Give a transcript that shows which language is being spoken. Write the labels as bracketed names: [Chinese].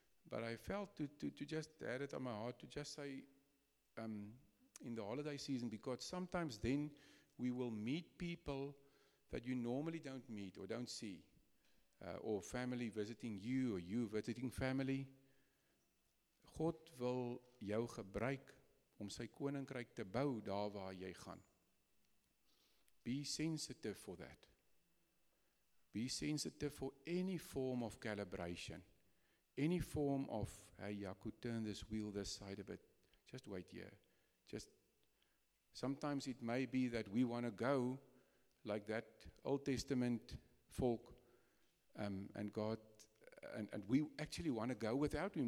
[English] but I felt to just add it on my heart, to just say, in the holiday season, because sometimes then we will meet people that you normally don't meet or don't see, or family visiting you, or you visiting family. [Afrikaans] God wil jou gebruik om sy koninkryk te bou daar waar jy gaan. [English] Be sensitive for that. Be sensitive for any form of calibration, any form of, hey, I could turn this wheel this side of it. Just wait here. Just sometimes it may be that we want to go like that Old Testament folk, and God, and we actually want to go without him.